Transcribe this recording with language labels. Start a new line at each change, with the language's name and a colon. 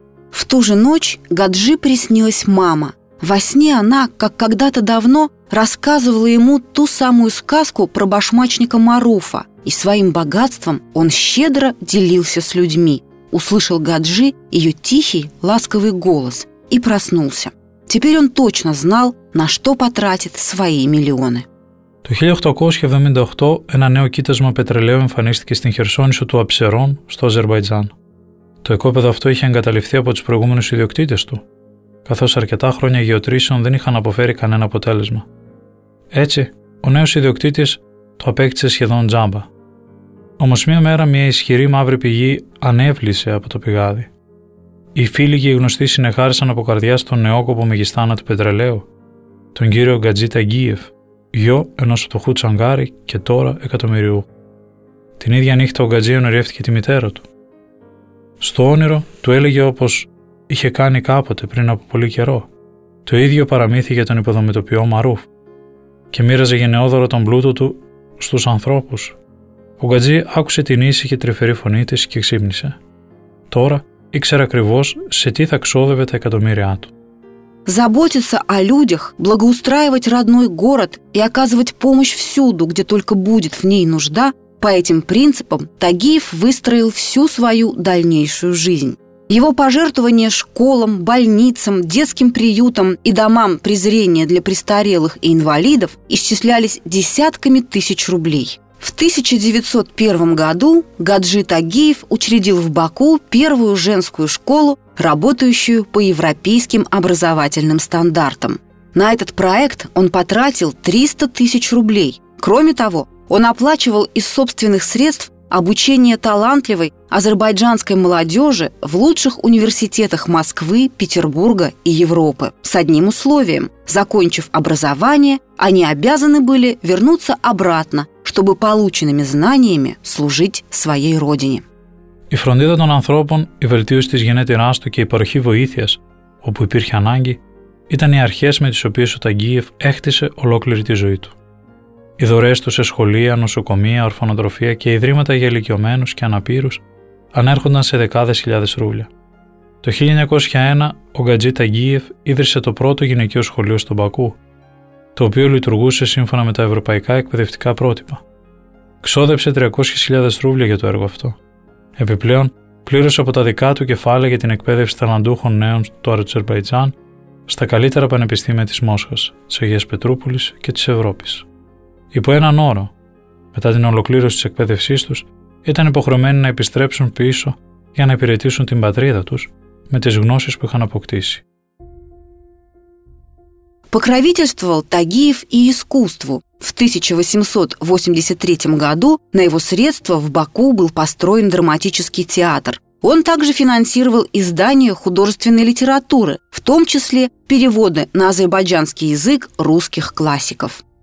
Russian: В ту же ночь Гаджи приснилась мама. Во сне она, как когда-то давно, рассказывала ему ту самую сказку про башмачника Маруфа, и своим богатством он щедро делился с людьми. Услышал Гаджи ее тихий, ласковый голос и проснулся. Теперь он точно знал, на что потратит свои миллионы.
Greek: Το 1878 ένα νέο κοίτασμα πετρελαίου εμφανίστηκε στην Χερσόνησο του Αψερών στο Αζερβαϊτζάν. Το οικόπεδο αυτό είχε εγκαταληφθεί από τους προηγούμενους ιδιοκτήτες του, καθώς αρκετά χρόνια γεωτρήσεων δεν είχαν αποφέρει κανένα αποτέλεσμα. Έτσι, ο νέος ιδιοκτήτης το απέκτησε σχεδόν τζάμπα. Όμως μία μέρα μια ισχυρή μαύρη πηγή ανέβλησε από το πηγάδι. Οι φίλοι και οι γνωστοί συνεχάρισαν από καρδιά στον νεόκοπο μεγιστάνα του πετρελαίου, τον κύριο Γκατζή Ταγκίεφ, γιο ενός φτωχού τσαγκάρη και τώρα εκατομμυριού. Την ίδια νύχτα ο Γκατζή ονειρεύτηκε τη μητέρα του. Στο όνειρο του έλεγε όπως είχε κάνει κάποτε πριν από πολύ καιρό, το ίδιο παραμύθι για τον υποδομητοποιό Μαρούφ και μοίραζε γενναιόδωρο τον πλούτο του στους ανθρώπους. Ο Γκατζή άκουσε την ήσυχη τρυφερή φωνή της και ξύπνησε. Τώρα ήξερε ακριβώς σε τι θα ξόδευε τα εκατομμύρια του.
Russian: Заботиться о людях, благоустраивать родной город и оказывать помощь всюду, где только будет в ней нужда, по этим принципам Тагиев выстроил всю свою дальнейшую жизнь. Его пожертвования школам, больницам, детским приютам и домам презрения для престарелых и инвалидов исчислялись десятками тысяч рублей. В 1901 году Гаджи Тагиев учредил в Баку первую женскую школу, работающую по европейским образовательным стандартам. На этот проект он потратил 300 тысяч рублей. Кроме того, он оплачивал из собственных средств обучение талантливой азербайджанской молодежи в лучших университетах Москвы, Петербурга и Европы. С одним условием – закончив образование, они обязаны были вернуться обратно, чтобы полученными знаниями служить своей родине.
Greek: Η φροντίδα των ανθρώπων, η βελτίωση της γενέτειράς του και η παροχή βοήθειας, όπου υπήρχε ανάγκη, ήταν οι αρχές με τις οποίες ο Ταγκίεφ έχτισε ολόκληρη τη ζωή του. Οι δωρές του σε σχολεία, νοσοκομεία, ορφανοτροφία και ιδρύματα για ηλικιωμένους και αναπήρους ανέρχονταν σε δεκάδες χιλιάδες ρούβλια. Το 1901, ο Γκατζή Ταγκίεφ ίδρυσε το πρώτο γυναικείο σχολείο στον Μπακού, το οποίο λειτουργούσε σύμφωνα με τα ευρωπαϊκά εκπαιδευτικά πρότυπα. Ξόδεψε 300.000 ρούβλια για το έργο αυτό. Επιπλέον, πλήρωσε από τα δικά του κεφάλαια για την εκπαίδευση ταλαντούχων νέων του Αζερμπαϊτζάν στα καλύτερα πανεπιστήμια της Μόσχας, της Αγίας Πετρούπολης και της Ευρώπης. Υπό έναν όρο, μετά την ολοκλήρωση της εκπαίδευσής τους, ήταν υποχρεωμένοι να επιστρέψουν πίσω για να υπηρετήσουν την πατρίδα τους με τις γνώσεις που είχαν αποκτήσει.
Russian: Покровительствовал Тагиев и искусству. В 1883 году на его средства в Баку был построен драматический театр. Он также финансировал издание художественной литературы, в том числе переводы на азербайджанский язык русских классиков.